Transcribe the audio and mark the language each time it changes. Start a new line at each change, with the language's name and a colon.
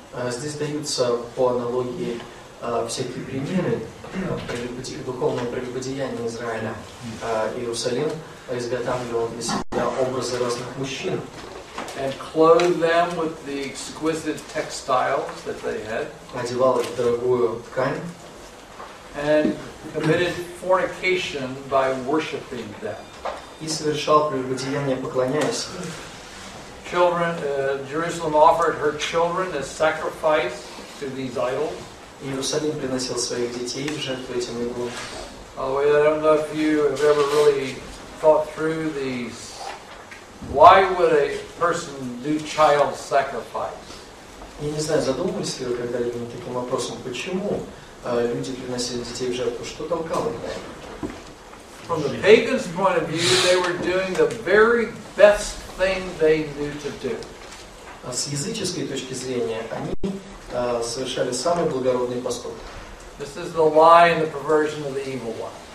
Russian: Здесь даются по аналогии всякие примеры духовного прелюбодеяния Израиля. Иерусалим изготавливал для себя образы разных мужчин.
English: And clothed them with the exquisite textiles that they had.
Russian: Одевал их в дорогую ткань.
English: And committed fornication by worshiping them.
Russian: И совершал прелюбодеяние, поклоняясь им.
English: Children, Jerusalem offered her children as sacrifice to these idols.
Russian: Иерусалим приносил своих детей в жертву этим идолам.
English: By the way, I don't know if you have ever really thought through these. Why would a person do child sacrifice?
Russian: Я не знаю, задумывались ли вы когда-либо над таким вопросом, почему люди приносили детей в жертву? Что толкало их?
English: From the pagan's point of view, they were doing the very best thing they knew to do.
Russian: А с языческой точки зрения, они совершали самый благородный поступок.
English: This is the lie and the perversion of the evil one.